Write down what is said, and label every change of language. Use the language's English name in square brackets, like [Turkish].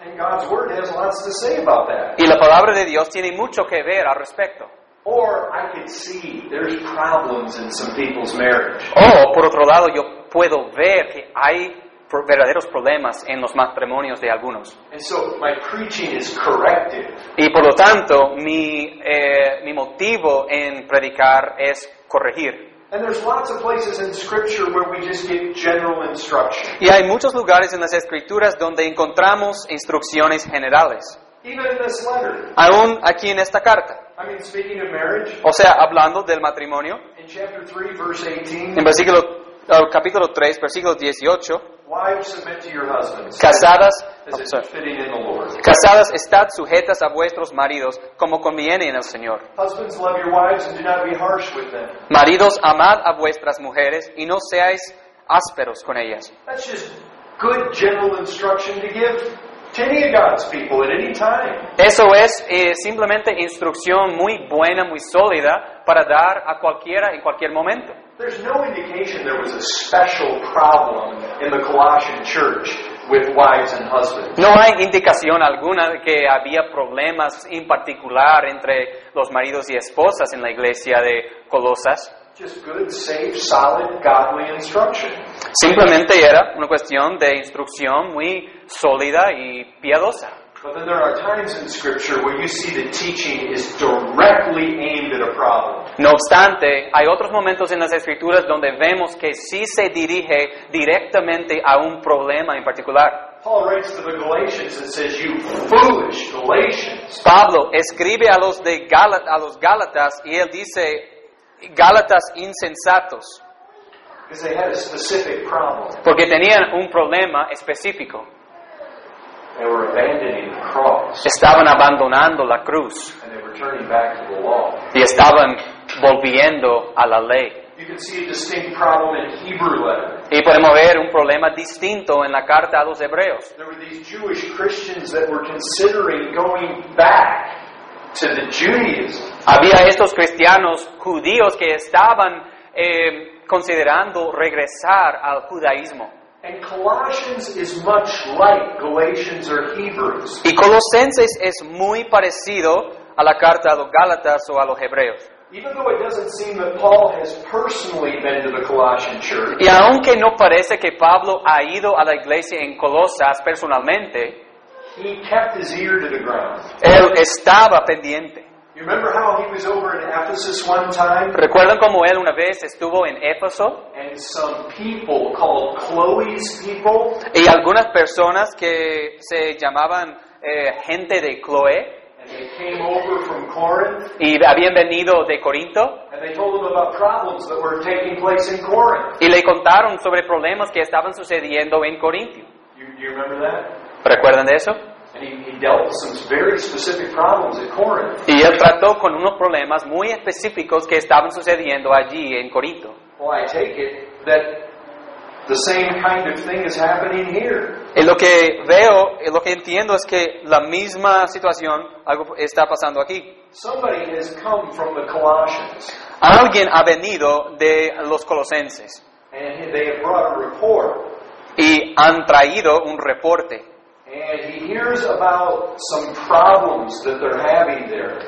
[English] And God's word has lots to say about that. [Spanish] Y la palabra de Dios tiene mucho que ver al respecto. [English] Or I can see there's problems in some people's marriage. [Spanish] Oh, por otro lado, yo puedo ver que hay verdaderos problemas en los matrimonios de algunos. [English] And so my preaching is corrective. [Spanish] Y por lo tanto, mi motivo en predicar es corregir. [English] And there's lots of places in Scripture where we just get general instruction. [Spanish] Y hay muchos lugares en las Escrituras donde encontramos instrucciones generales. [English] Even in this letter. [Spanish] Aún aquí en esta carta. [English] I mean, speaking of marriage, [Spanish] o sea, hablando del matrimonio. [English] In chapter 3, verse 18, [Spanish] en versículo, capítulo 3, versículo 18. [English] Wives, submit to your husbands. [Spanish] Casadas, [English] fitting in the Lord. [Spanish] Casadas, estad sujetas a vuestros maridos como conviene en el Señor. [English] Husbands, love your wives and do not be harsh with them. [Spanish] Maridos, amad a vuestras mujeres y no seáis ásperos con ellas. [English] That's just good general instruction to give. To any of God's people at any time. [Spanish] Eso es simplemente instrucción muy buena, muy sólida para dar a cualquiera en cualquier momento. [English] There's no indication there was a special problem in the Colossian church with wives and husbands. [Spanish] No hay indicación alguna de que había problemas en particular entre los maridos y esposas en la iglesia de Colosas. [English] Just good, safe, solid, godly instruction. [Spanish] Simplemente era una cuestión de instrucción muy sólida y piadosa. [English] But then there are times in Scripture where you see the teaching is directly aimed at a problem. [Spanish] No obstante, hay otros momentos en las Escrituras donde vemos que sí se dirige directamente a un problema en particular. [English] Paul writes to the Galatians and says, "You foolish Galatians." [Spanish] Pablo escribe a los de a los Gálatas y él dice, Gálatas insensatos. [English] Because they had a specific problem. [Spanish] Porque tenían un problema específico. [English] They were abandoning the cross. [Spanish] Estaban abandonando la cruz. [English] And they were turning back to the law. [Spanish] Y estaban volviendo a la ley. [English] You can see a distinct problem in Hebrew letter. [Spanish] Y podemos ver un problema distinto en la carta a los Hebreos. [English] There were these Jewish Christians that were considering going back to the Judaism. [Spanish] Había estos cristianos judíos que estaban considerando regresar al judaísmo. [English] And Colossians is much like Galatians or Hebrews. [Spanish] Y Colosenses es muy parecido a la carta a los Gálatas o a los Hebreos. [English] Even though it doesn't seem that Paul has personally been to the Colossian church. [Spanish] Y aunque no parece que Pablo ha ido a la iglesia en Colosas personalmente, [English] he kept his ear to the ground. [Spanish] Él estaba pendiente. [English] You remember how he was over in Ephesus one time? [Spanish] ¿Recuerdan cómo él una vez estuvo en Éfeso? [English] And some people called Chloe's people. [Spanish] Y algunas personas que se llamaban gente de Chloe. [English] And they came over from Corinth. [Spanish] Y habían venido de Corinto. [English] And they told them about problems that were taking place in Corinth. [Spanish] Y le contaron sobre problemas que estaban sucediendo en Corinto. [English] You remember that? [Spanish] ¿Recuerdan de eso? [English] And he dealt with some very specific problems at Corinth. [Spanish] Y él trató con unos problemas muy específicos que estaban sucediendo allí en Corinto. [English] Well, I take it that the same kind of thing is happening here. [Spanish] Y lo que veo, y lo que entiendo es que la misma situación algo está pasando aquí. [English] Somebody has come from the Colossians. [Spanish] Alguien ha venido de los Colosenses. [English] And they have brought a report. [Spanish] Y han traído un reporte. [English] And he hears about some problems that they're having there.